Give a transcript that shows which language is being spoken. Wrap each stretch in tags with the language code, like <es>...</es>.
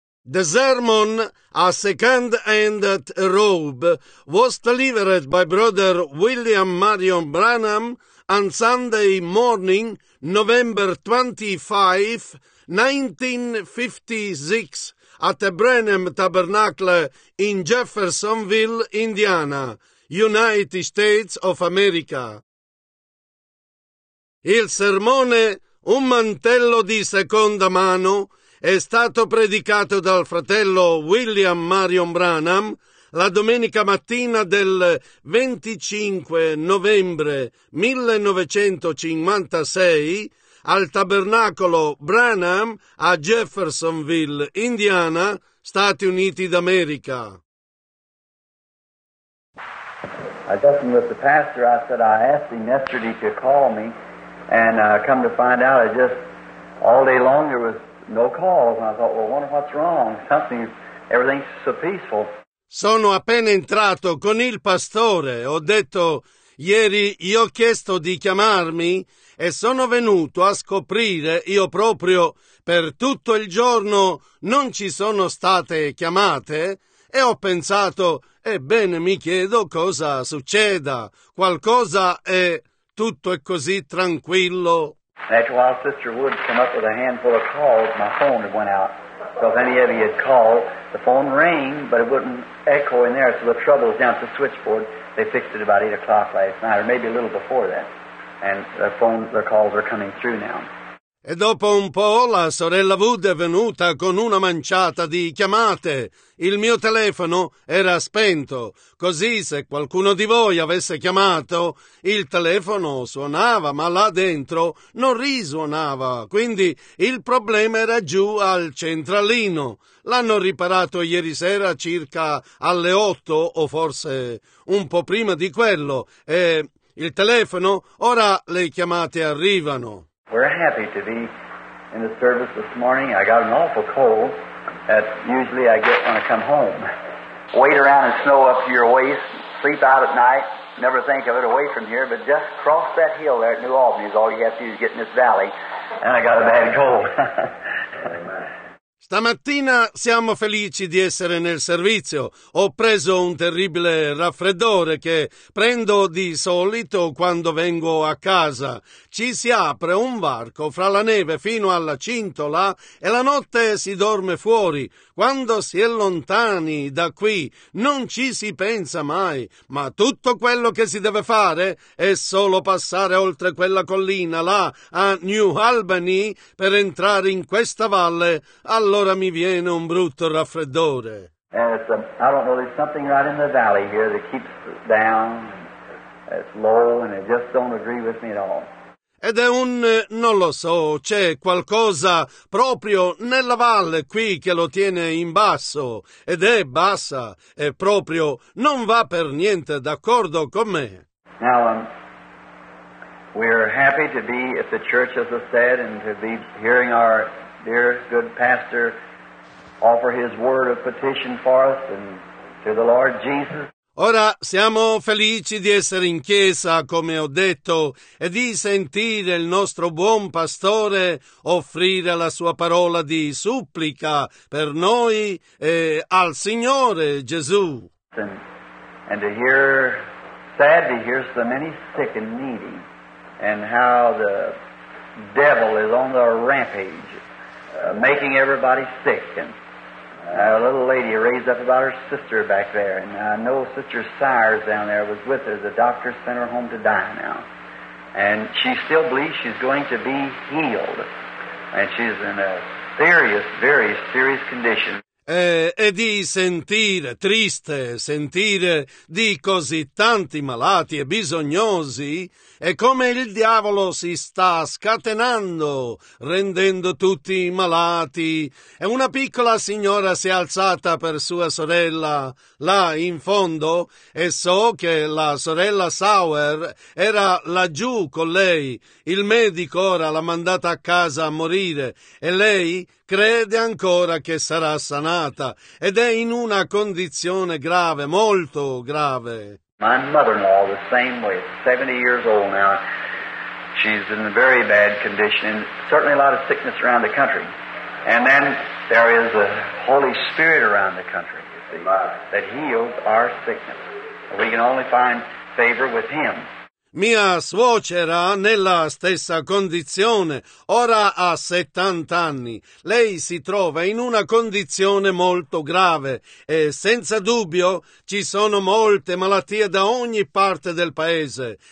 <en>The sermon, a second hand robe, was delivered by Brother William Marion Branham on Sunday morning, November 25, 1956, at the Branham Tabernacle in Jeffersonville, Indiana, United States of America.</en> <it>Il sermone, un mantello di seconda mano, è stato predicato dal fratello William Marion Branham la domenica mattina del 25 novembre 1956 al Tabernacolo Branham a Jeffersonville, Indiana, Stati Uniti d'America.</it> <en>I just met the pastor. I said I asked him yesterday to call me, and come to find out, I just all day long there was no calls. And I thought, well, I wonder what's wrong. Something, everything's so peaceful.</en> <it>Sono appena entrato con il pastore. Ho detto ieri gli ho chiesto di chiamarmi e sono venuto a scoprire io proprio per tutto il giorno non ci sono state chiamate e ho pensato. Ebbene, mi chiedo cosa succeda. Qualcosa è tutto è così tranquillo.</it> <en>After a while, Sister Wood came up with a handful of calls. My phone had went out. So if any of you had called, the phone rang, but it wouldn't echo in there. So the trouble is down to the switchboard. They fixed it about 8 o'clock last night, or maybe a little before that. And the phone, their calls are coming through now.</en> <it>E dopo un po' la sorella Wood è venuta con una manciata di chiamate. Il mio telefono era spento, così se qualcuno di voi avesse chiamato, il telefono suonava, ma là dentro non risuonava. Quindi il problema era giù al centralino. L'hanno riparato ieri sera circa alle 8 o forse un po' prima di quello. E il telefono, ora le chiamate arrivano.</it> <en>We're happy to be in the service this morning. I got an awful cold that usually I get when I come home. Wade around in snow up to your waist, sleep out at night, never think of it away from here, but just cross that hill there at New Albany is all you have to do to get in this valley, and I got a bad cold.</en> <it>Stamattina siamo felici di essere nel servizio. Ho preso un terribile raffreddore che prendo di solito quando vengo a casa. Ci si apre un varco fra la neve fino alla cintola e la notte si dorme fuori. Quando si è lontani da qui non ci si pensa mai, ma tutto quello che si deve fare è solo passare oltre quella collina là a New Albany per entrare in questa valle. Allora mi viene un brutto raffreddore.</it> <en>I don't know, there's something right in the valley here that keeps down, it's low, and it just don't agree with me at all.</en> <it>Ed è un, non lo so, c'è qualcosa proprio nella valle qui che lo tiene in basso, ed è bassa, e proprio non va per niente d'accordo con me.</it> <en>Now, we're happy to be at the church, as I said, and to be hearing our dear, good pastor offer his word of petition for us and to the Lord Jesus.</en> <it>Ora siamo felici di essere in chiesa, come ho detto, e di sentire il nostro buon pastore offrire la sua parola di supplica per noi e al Signore Gesù.</it> <en>And to hear, sad to hear so many sick and needy, and how the devil is on the rampage, making everybody sick. And a little lady raised up about her sister back there, and I know Sister Sires down there was with her. The doctor sent her home to die now, and she still believes she's going to be healed, and she's in a serious, very serious condition.</en> <it>E di sentire, triste, sentire di così tanti malati e bisognosi, e come il diavolo si sta scatenando, rendendo tutti malati. E una piccola signora si è alzata per sua sorella, là in fondo, e so che la sorella Sauer era laggiù con lei. Il medico ora l'ha mandata a casa a morire, e lei crede ancora che sarà sanata ed è in una condizione grave, molto grave.</it> <en>My mother-in-law, the same way, 70 years old now, she's in a very bad condition, and certainly a lot of sickness around the country. And then There is a Holy Spirit around the country, you see, that heals our sickness. We can only find favor with Him.</en> <it>Mia suocera nella stessa condizione, ora ha 70 anni. Lei si trova in una condizione molto grave e senza dubbio ci sono molte malattie da ogni parte del paese.</it>